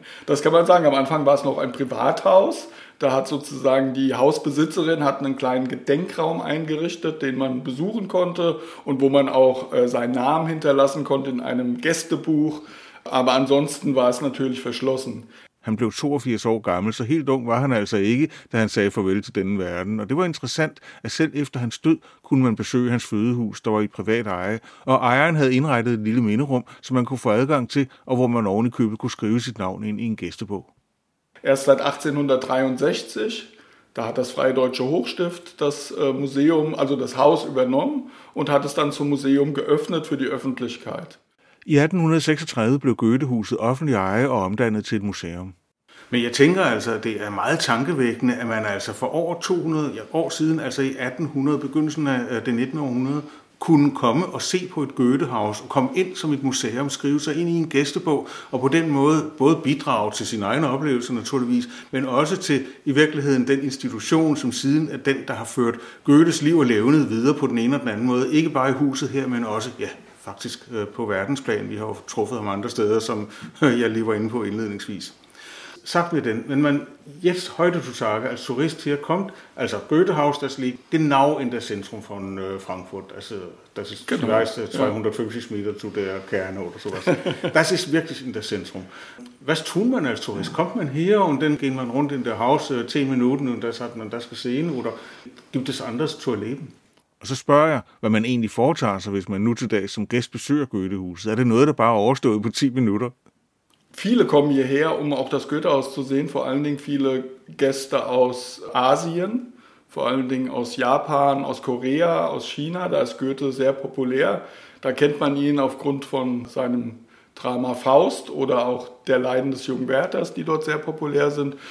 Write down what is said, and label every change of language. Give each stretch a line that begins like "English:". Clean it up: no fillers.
German: Das kann man sagen. Am Anfang war es noch ein Privathaus. Da hat sozusagen die Hausbesitzerin hat einen kleinen Gedenkraum eingerichtet, den man besuchen konnte und wo man auch seinen Namen hinterlassen konnte in einem Gästebuch. Aber ansonsten war es natürlich verschlossen.
Danish: Han blev 82 år gammel, så helt ung var han altså ikke, da han sagde farvel til denne verden. Og det var interessant, at selv efter hans død kunne man besøge hans fødehus, der var i privat eje. Og ejeren havde indrettet et lille minderum, som man kunne få adgang til, og hvor man oven i købet kunne skrive sit navn ind i en gæstebog.
German: Erst seit 1863, da hat das Freie Deutsche Hochstift das Museum, also das Haus übernommen und hat es dann zum Museum geöffnet für die Öffentlichkeit.
Danish: I 1836 blev Goethehuset offentlig eje og omdannet til et museum. Men jeg tænker altså, at det er meget tankevækkende, at man altså for over 200 år siden, altså i 1800, begyndelsen af det 19. århundrede, kunne komme og se på et Goethehaus, og komme ind som et museum, skrive sig ind i en gæstebog, og på den måde både bidrage til sin egen oplevelse naturligvis, men også til i virkeligheden den institution, som siden er den, der har ført Goethes liv og levned videre på den ene og den anden måde, ikke bare i huset her, men også, ja, faktisk på verdensplan. Vi har truffet ham andre steder, som jeg lige var inde på indledningsvis. Sagt med den,
German: men man jetzt heute zu sage, als Tourist hier kommt, also Goethehaus, das liegt genau in der Zentrum von Frankfurt, also das ist genau. Vielleicht 250 Meter zu der Kerne oder sowas. Das ist wirklich in der Zentrum. Was tut man als Tourist? Kommt man hier und dann geht man rund in der Haus 10 Minuten und das hat man das gesehen oder gibt es anders zu erleben?
Danish: Og så spørger jeg, hvad man egentlig foretager sig, hvis man nu til dag som gæst besøger Goethehuset. Er det noget, der bare er overstået på 10 minutter?
German: Viele kommen hierher, um auch das Goethehaus zu sehen. Vor allen Dingen viele Gäste aus Asien, vor allen Dingen aus Japan, aus Korea, aus China. Da ist Goethe sehr populär. Da kennt man ihn aufgrund von seinem Drama Faust oder auch der Leiden des jungen Werthers, die dort sehr populär sind.